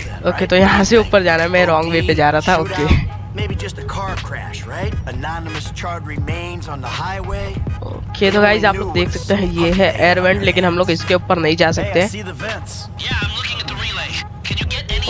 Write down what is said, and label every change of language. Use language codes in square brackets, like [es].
[hi] Okay तो यहाँ से ऊपर जाना है मैं रॉन्ग वे पे जा रहा था. Okay [en] Maybe just a car crash, right? Anonymous charred remains on the highway. [hi] Okay, तो गाइस आप लोग देख सकते हैं ये है एयर वेंट, लेकिन हम लोग इसके ऊपर नहीं जा सकते.